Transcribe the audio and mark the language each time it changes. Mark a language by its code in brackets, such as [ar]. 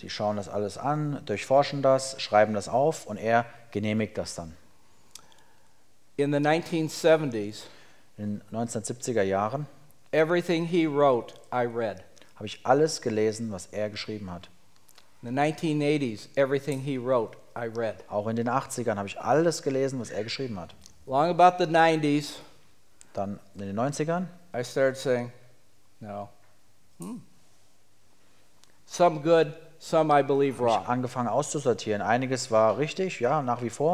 [de] Die schauen das alles an, durchforschen das, schreiben das auf und er genehmigt das dann. [en] In the 1970s. [de] In 1970er Jahren. [en] Everything he wrote, I read. [de] Habe ich alles gelesen, was er geschrieben hat. [en] In the 1980s, everything he wrote, I read. [de] Auch in den 80ern habe ich alles gelesen, was er geschrieben hat. [en] Long about the 90s. [de] Dann in den 90ern. [en] I started saying, no. Some good, some I believe wrong. [de] Ich habe angefangen auszusortieren. Einiges war richtig, ja, nach wie vor.